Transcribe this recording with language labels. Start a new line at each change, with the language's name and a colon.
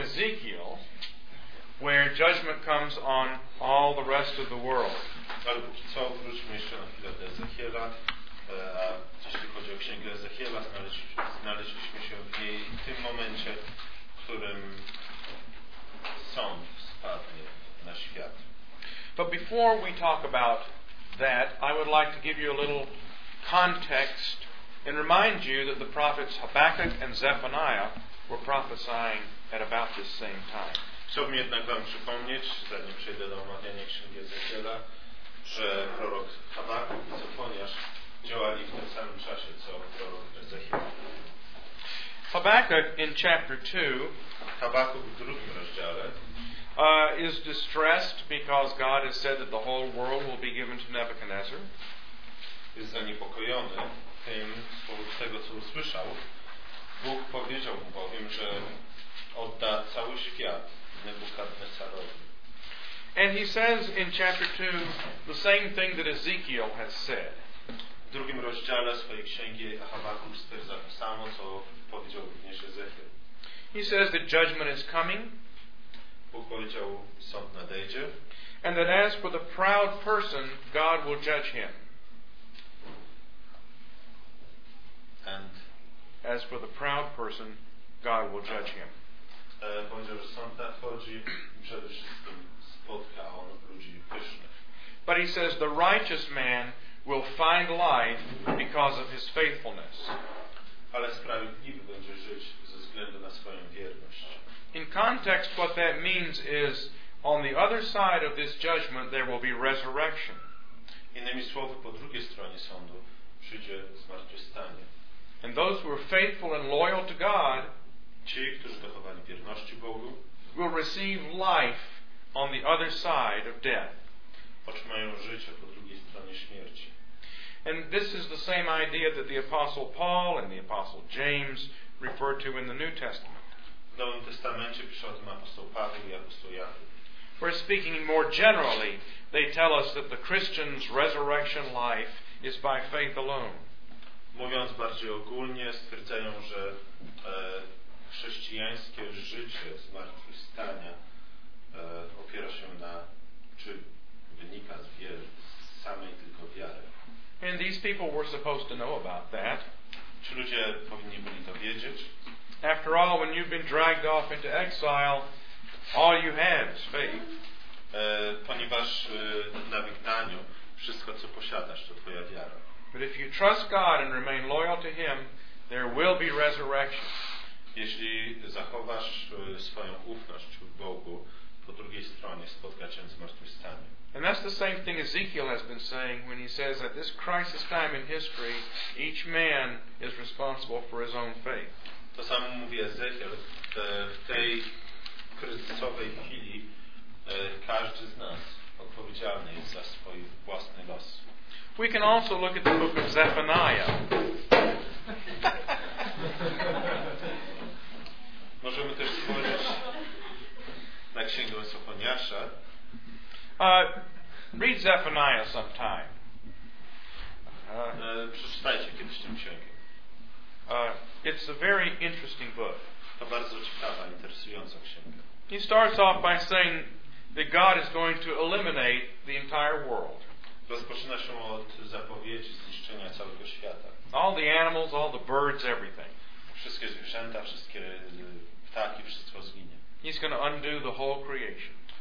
English: Ezekiel, where judgment comes on all the rest of the world.
Polish: Ale póki co wróćmy jeszcze na chwilę do Ezechiela. Jeśli chodzi o księgę Ezechiela, znaleźliśmy się w niej w tym momencie, w którym sąd spadnie na świat.
English: But before we talk about that, I would like to give you a little context and remind you that the prophets Habakkuk and Zephaniah were prophesying at about this same time.
Polish: Chciałbym jednak wam przypomnieć, zanim przejdę do omawiania księgi Ezechiela, że prorok Habakkuk i Zefoniasz działali w tym samym czasie, co prorok Ezechiel.
English: Habakkuk in chapter 2,
Polish: Habakkuk w drugim rozdziale,
English: is distressed because God has said that the whole world will be given to Nebuchadnezzar.
Polish: Jest zaniepokojony tym, z powodu tego, co usłyszał. Bóg powiedział mu bowiem, że odda cały świat Nebukadnesarowi.
English: And he says in chapter 2 the same thing that Ezekiel has said.
Polish: W drugim rozdziale swojej księgi Habakkuk stwierdza to samo, co powiedział również Ezechiel.
English: He says that judgment is coming.
Polish: Bóg powiedział, sąd nadejdzie.
English: And that as for the proud person, God will judge him. And as for the proud person, God will judge him.
Polish: Powiedział, że sąd nadchodzi, przede wszystkim spotka on ludzi pysznych.
English: But he says, the righteous man will find life because of his faithfulness.
Polish: Ale sprawiedliwy będzie żyć ze względu na swoją wierność.
English: In context, what that means is, on the other side of this judgment, there will be resurrection.
Polish: Innymi słowy, po drugiej stronie sądu przyjdzie zmartwychwstanie.
English: And those who are faithful and loyal to God,
Polish: ci, którzy dochowali wierności Bogu,
English: will receive life on the other side of death.
Polish: Otrzymają życie po drugiej stronie śmierci.
English: And this is the same idea that the Apostle Paul and the Apostle James refer to in the New Testament.
Polish: W Nowym Testamencie pisze o tym apostoł Paweł i apostoł Jakub.
English: For speaking more generally, they tell us that the Christian's resurrection life is by faith alone.
Polish: Mówiąc bardziej ogólnie, stwierdzają, że chrześcijańskie życie zmartwychwstania opiera się na, czy wynika z wiary, z samej tylko wiary.
English: And these people were supposed to know about that.
Polish: Czy ludzie powinni byli to wiedzieć?
English: After all, when you've been dragged off into exile, all you have is faith.
Polish: Ponieważ na wygnaniu wszystko, co posiadasz, to twoja wiara.
English: But if you trust God and remain loyal to Him, there will be resurrection.
Polish: Jeśli zachowasz swoją ufność w Bogu, po drugiej stronie spotka cię zmartwychwstanie.
English: And that's the same thing Ezekiel has been saying when he says that this crisis time in history, each man is responsible for his own faith.
Polish: To samo mówi Ezechiel, w tej kryzysowej chwili każdy z nas odpowiedzialny jest za swój własny los.
English: We can also look at the book of Zephaniah.
Polish: Możemy też spojrzeć na księgę Sofoniasza.
English: Read Zephaniah sometime.
Polish: Przeczytajcie kiedyś tę księgę.
English: It's a very interesting book.
Polish: To bardzo ciekawa, interesująca księga.
English: He starts off by saying that God is going to eliminate the entire world.
Polish: Rozpoczyna się od zapowiedzi zniszczenia całego świata.
English: All the animals, all the birds, everything.
Polish: Wszystkie zwierzęta, wszystkie ptaki, wszystko zginie.
English: He's going to undo the whole creation.